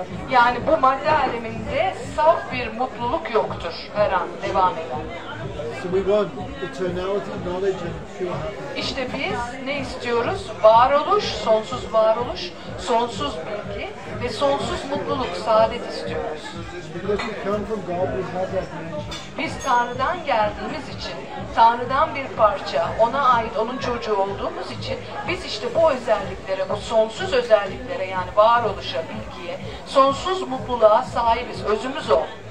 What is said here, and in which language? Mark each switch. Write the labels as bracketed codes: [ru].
[tr] Yani bu madde aleminde saf bir mutluluk yoktur her an devam eden. [en] So we want eternality, knowledge and pure happiness. [tr] İşte biz ne istiyoruz? Varoluş, sonsuz varoluş, sonsuz bilgi ve sonsuz mutluluk, saadet istiyoruz. [en] Because we come from God, we have that nature. [tr] Biz Tanrı'dan geldiğimiz için, Tanrı'dan bir parça, ona ait, onun çocuğu olduğumuz için biz işte bu özelliklere, bu sonsuz özelliklere, yani varoluşa, bilgiye, sonsuz mutluluğa sahibiz. Özümüz o.